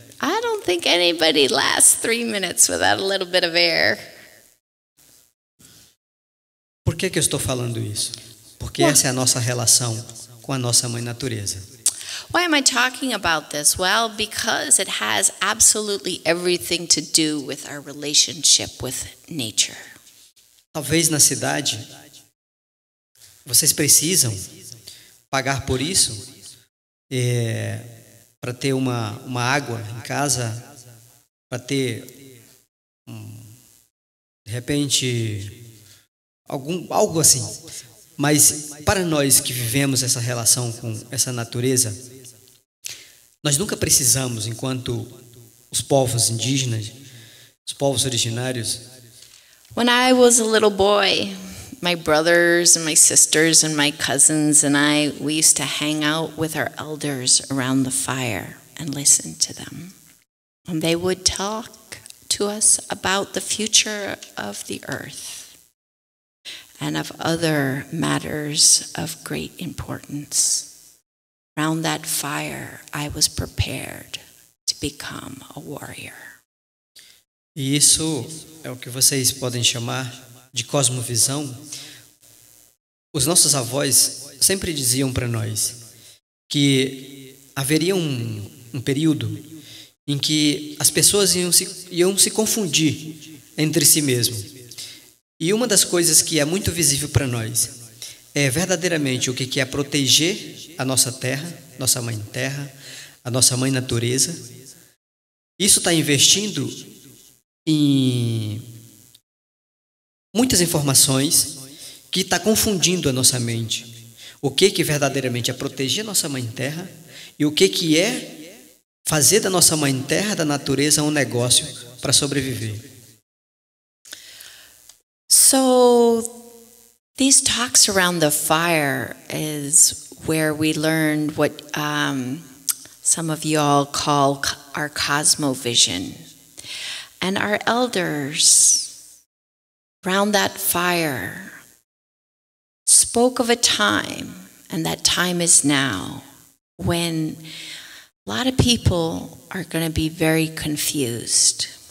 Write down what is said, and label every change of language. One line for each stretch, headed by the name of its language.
English: I don't think anybody lasts 3 minutes without a little bit of air.
Portuguese: Por que que eu estou falando isso? Porque essa é a nossa relação com a nossa mãe natureza.
English: Why am I talking about this? Well, because it has absolutely everything to do with our relationship with nature.
Portuguese: Talvez na cidade Vocês precisam pagar por isso, para ter uma água em casa, para ter, de repente, algo assim. Mas para nós que vivemos essa relação com essa natureza, nós nunca precisamos, enquanto os povos indígenas, os povos originários.
English: When I was a little boy, my brothers and my sisters and my cousins and I, we used to hang out with our elders around the fire and listen to them. And they would talk to us about the future of the earth and of other matters of great importance. Around that fire, I was prepared to become a warrior.
Portuguese: E isso é o que vocês podem chamar de cosmovisão. Os nossos avós sempre diziam para nós que haveria um período em que as pessoas iam se confundir entre si mesmo. E uma das coisas que é muito visível para nós é verdadeiramente o que é proteger a nossa terra, nossa mãe terra, a nossa mãe natureza. Isso está investindo em muitas informações que está confundindo a nossa mente. O que verdadeiramente é proteger a nossa mãe terra e o que é fazer da nossa mãe terra, da natureza, um negócio para sobreviver.
English: So, these talks around the fire is where we learned what some of you all call our cosmovision. And our elders, around that fire, spoke of a time, and that time is now, when a lot of people are going to be very confused.